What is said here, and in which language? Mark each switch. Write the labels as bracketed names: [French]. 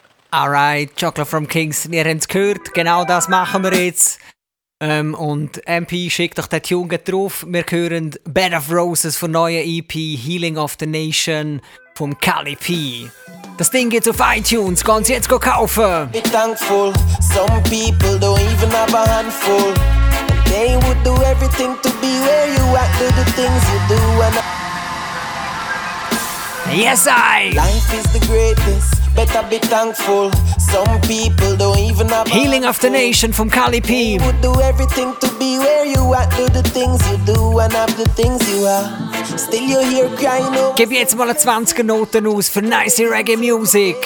[German] Alright, Chocolate from Kingston, ihr habt es gehört, genau das machen wir jetzt. Und MP, schickt doch den Tune drauf. Wir hören Bed of Roses von neuer EP Healing of the Nation vom Calipi. Das Ding geht auf iTunes, kannst jetzt go kaufen. [English] Be thankful, some people don't even have a handful. They would do everything to be where you at, do the things you do and yes, I! Life is the greatest, better be thankful. Some people don't even have Healing of the Nation from Calipi. They would do everything to be where you at, do the things you do and have the things you are. Still you're here crying over. [German] Gib jetzt mal 20 Noten aus für [English] nice reggae music.